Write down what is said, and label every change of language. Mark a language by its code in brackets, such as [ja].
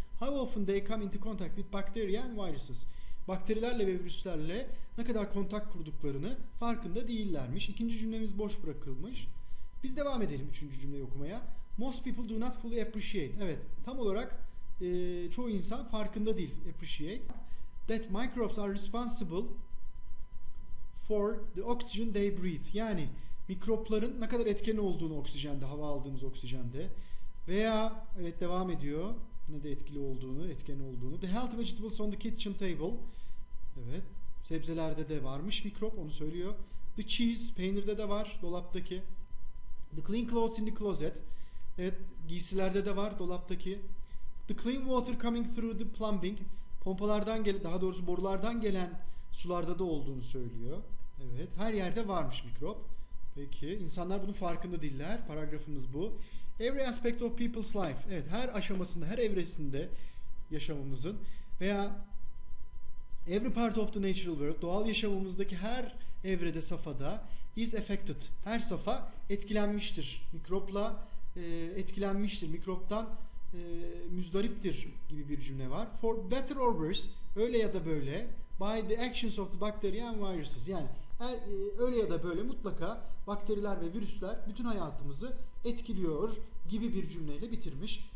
[en] How often they come into contact with bacteria and viruses. [tr] Bakterilerle ve virüslerle ne kadar kontak kurduklarını farkında değillermiş. İkinci cümlemiz boş bırakılmış. Biz devam edelim üçüncü cümleyi okumaya. [en] Most people do not fully appreciate. [tr] Evet, tam olarak çoğu insan farkında değil. Appreciate. [en] That microbes are responsible for the oxygen they breathe. [tr] Yani mikropların ne kadar etkeni olduğunu oksijende, hava aldığımız oksijende. Veya evet devam ediyor. Ne de etkili olduğunu, etkeni olduğunu. [en] The healthy vegetables on the kitchen table. [tr] Evet. Sebzelerde de varmış mikrop, onu söylüyor. [en] The cheese, [tr] peynirde de var dolaptaki. [en] The clean clothes in the closet. [tr] Evet, giysilerde de var dolaptaki. [en] The clean water coming through the plumbing. [tr] Pompalardan gelen, daha doğrusu borulardan gelen sularda da olduğunu söylüyor. Evet, her yerde varmış mikrop. Peki, insanlar bunun farkında değiller. Paragrafımız bu. [en] Every aspect of people's life. [tr] Evet, her aşamasında, her evresinde yaşamımızın veya [en] every part of the natural world, [tr] doğal yaşamımızdaki her evrede, safhada [en] is affected. [tr] Her safha etkilenmiştir. Mikropla etkilenmiştir. Mikroptan müzdariptir gibi bir cümle var. [en] For better or worse, [tr] öyle ya da böyle, [en] by the actions of the bacteria and viruses. [tr] Yani öyle ya da böyle mutlaka bakteriler ve virüsler bütün hayatımızı etkiliyor gibi bir cümleyle bitirmiş.